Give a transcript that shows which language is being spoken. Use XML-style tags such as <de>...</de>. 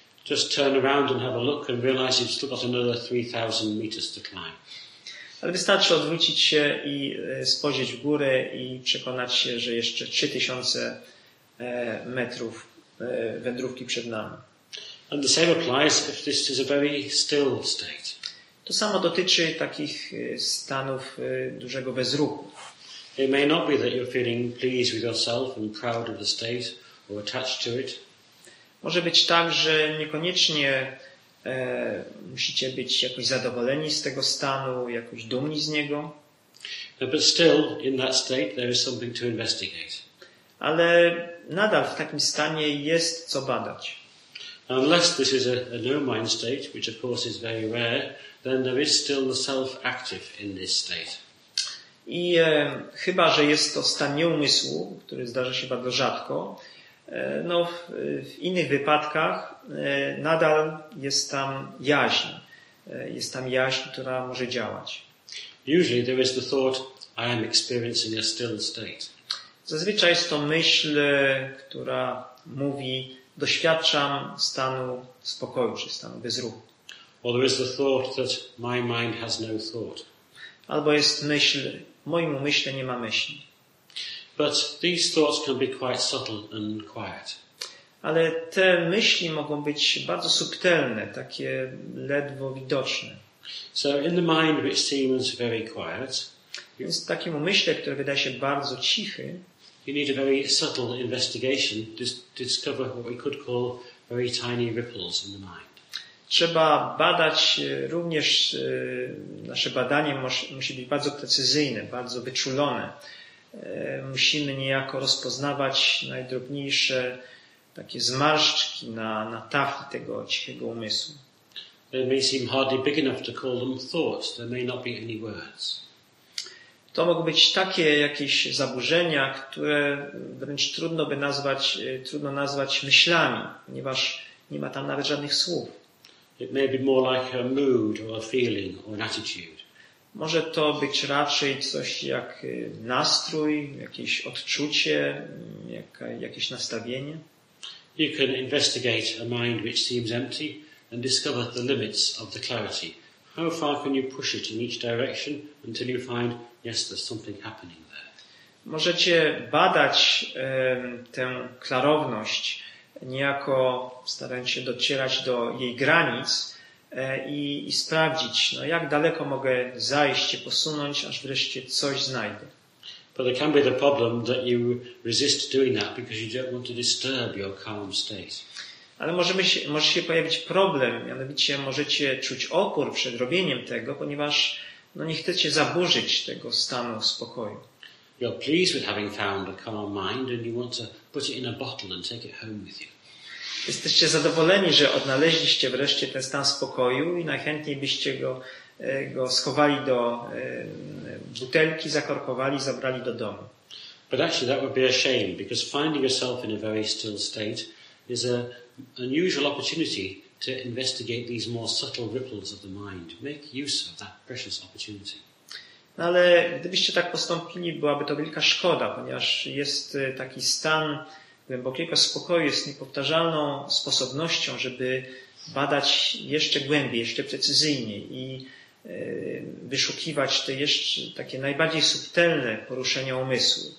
<en>Just turn around and have a look and realize you've still got another 3,000 meters to climb.</en> <pl>Ale wystarczy odwrócić się i spojrzeć w górę i przekonać się, że jeszcze 3,000 metrów wędrówki przed nami.</pl> <en>And the same applies if this is a very still state.</en> <pl>To samo dotyczy takich stanów dużego bezruchu.</pl> <en>It may not be that you're feeling pleased with yourself and proud of the state or attached to it.</en> <pl>Może być tak, że niekoniecznie musicie być jakoś zadowoleni z tego stanu, jakoś dumni z niego.</pl> <en>But still in that state there is something to investigate.</en> <pl>Ale nadal w takim stanie jest co badać.</pl> <en>Unless this is a no mind state, which of course is very rare, then there is still the self active in this state.</en> <pl>I chyba, że jest to stan nieumysłu, który zdarza się bardzo rzadko, no w innych wypadkach nadal jest tam jaźń. Jest tam jaźń, która może działać.</pl> <en>Usually there is the thought, I am experiencing a still state.</en> <pl>Zazwyczaj jest to myśl, która mówi, doświadczam stanu spokoju, czy stanu bezruchu.</pl> <en>Or there is the thought that my mind has no thought.</en> <pl>Albo jest myśl, moim umyśle nie ma myśli.</pl> <en>But these thoughts can be quite subtle and quiet.</en> <pl>Ale te myśli mogą być bardzo subtelne, takie ledwo widoczne.</pl> <en>So in the mind which seems very quiet,</en> <pl>więc w takim umyśle, który wydaje się bardzo cichy,</pl> <en>you need a very subtle investigation to discover what we could call very tiny ripples in the mind.</en> <pl>Trzeba badać, również nasze badanie musi być bardzo precyzyjne, bardzo wyczulone. Musimy niejako rozpoznawać najdrobniejsze takie zmarszczki na tafli tego cichego umysłu.</pl> <en>They may seem hardly big enough to call them thoughts. There may not be any words.</en> <pl>To mogą być takie jakieś zaburzenia, które wręcz trudno by nazwać, trudno nazwać myślami, ponieważ nie ma tam nawet żadnych słów.</pl> <en>It may be more like a mood or a feeling or an attitude.</en> <pl>Może to być raczej coś jak nastrój, jakieś odczucie, jakieś nastawienie.</pl> <en>You can investigate a mind which seems empty and discover the limits of the clarity. How far can you push it in each direction until you find, yes, there's something happening there.</en> <pl>Możecie badać tę klarowność, niejako starając się docierać do jej granic i sprawdzić, no, jak daleko mogę zajść, się posunąć, aż wreszcie coś znajdę.</pl> <en>But there can be the problem that you resist doing that because you don't want to disturb your calm state.</en> <pl>Ale może się pojawić problem, mianowicie możecie czuć opór przed robieniem tego, ponieważ no, nie chcecie zaburzyć tego stanu spokoju.</pl> <en>You're pleased with having found a calm mind and you want to put it in a bottle and take it home with you.</en> <pl>Jesteście zadowoleni, że odnaleźliście wreszcie ten stan spokoju i najchętniej byście go schowali do butelki, zakorkowali, zabrali do domu.</pl> <en>But actually that would be a shame because finding yourself in a very still state is an unusual opportunity to investigate these more subtle ripples of the mind. Make use of that precious opportunity.</en> <pl>No ale gdybyście tak postąpili, byłaby to wielka szkoda, ponieważ jest taki stan głębokiego spokoju, jest niepowtarzalną sposobnością, żeby badać jeszcze głębiej, jeszcze precyzyjniej i wyszukiwać te jeszcze takie najbardziej subtelne poruszenia umysłu.</pl>